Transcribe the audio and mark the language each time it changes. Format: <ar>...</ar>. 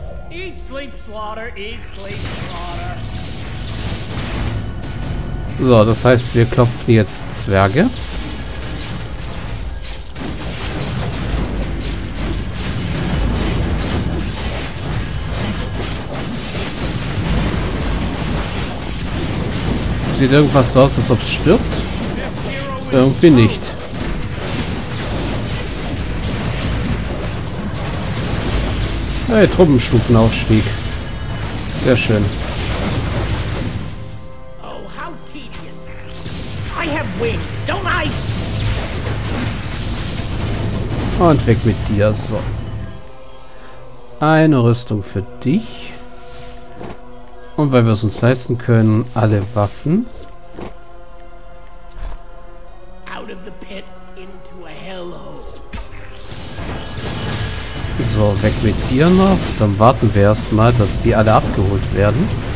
<en>Eat, sleep, slaughter, eat, sleep, slaughter.</en> <de>So, das heißt, wir klopfen jetzt Zwerge. Sieht irgendwas so aus, als ob es stirbt? Irgendwie nicht. Hey, Truppenstufenaufstieg. Sehr schön.</de> <en>Oh, how tedious. I have wings, don't I?</en> <de>Und weg mit dir, so. Eine Rüstung für dich. Und weil wir es uns leisten können, alle Waffen.</de> <en>Out of the pit into a hellhole.</en> <de>So, weg mit dir noch. Dann warten wir erstmal, dass die alle abgeholt werden.</de>